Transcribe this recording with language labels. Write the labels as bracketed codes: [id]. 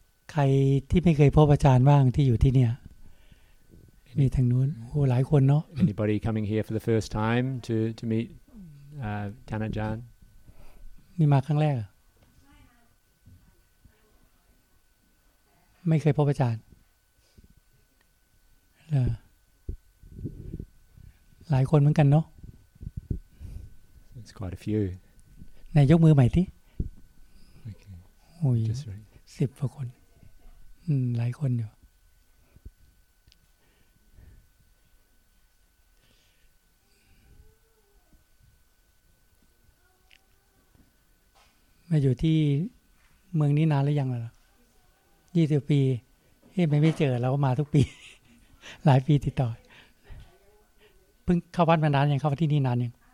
[th] ใครที่ไม่เคยพบอาจารย์บ้างที่อยู่ที่เนี่ยนี่ทางนู้นโอ้หลายคนเนาะ [en] Anybody coming here for the first time to meet Thanajan [th] นี่มาครั้งแรกไม่เคยพบอาจารย์หลายคนเหมือนกันเนาะ [en] It's quite a few [th] นายยกมือใหม่ทีโอ้ย สิบกว่าคนหลายคนอยู่มาอยู่ที่เมืองนี้นานหรือยังล่ะ20ปีเฮ้ยไม่เจอเราก็มาทุกปีหลายปีติดต่อเพิ่งเข้าวัดมานานยังเข้ามาที่นี่นานยัง